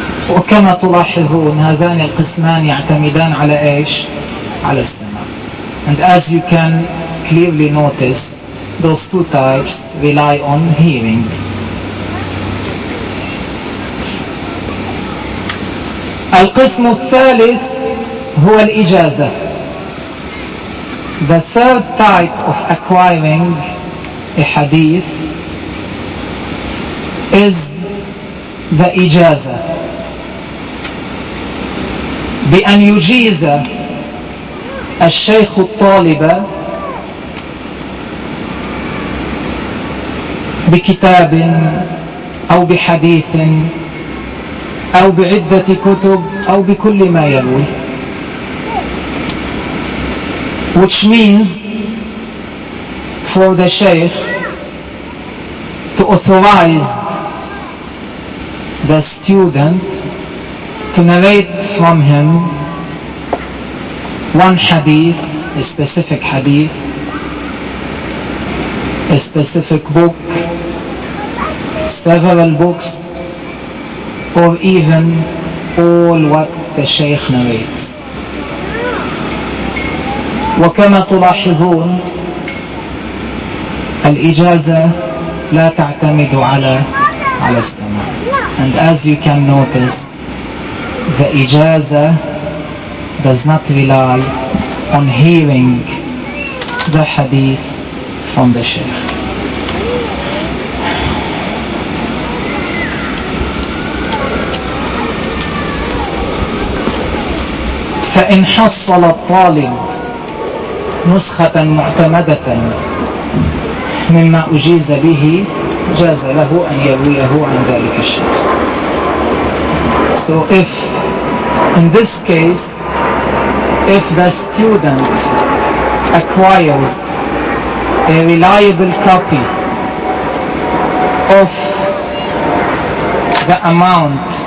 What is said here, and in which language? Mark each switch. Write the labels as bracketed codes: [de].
[ar] وكما تلاحظون هذان القسمان يعتمدان على ايش؟ على السماع. [en] And as you can clearly notice, those two types rely on hearing. [ar] القسم الثالث هو الإجازة. [en] The third type of acquiring a hadith is the إجازة. [ar] بأن يجيز الشيخ الطالب بكتاب أو بحديث أو بعدة كتب أو بكل ما يروي. [en] Which means for the sheikh to authorize the student to narrate from him one hadith, a specific hadith, a specific book, several books, or even all what the Shaykh narrates. [ar] وكما تلاحظون الإجازة لا تعتمد على السماع. [en] And as you can notice, the إجازة does not rely on hearing the hadith from the Shaykh. [ar] فإن حصل الطالب نسخة معتمدة مما أجيز به جاز له أن يرويه عن ذلك الشيخ. [en] So if in this case, if the student acquired a reliable copy of the amount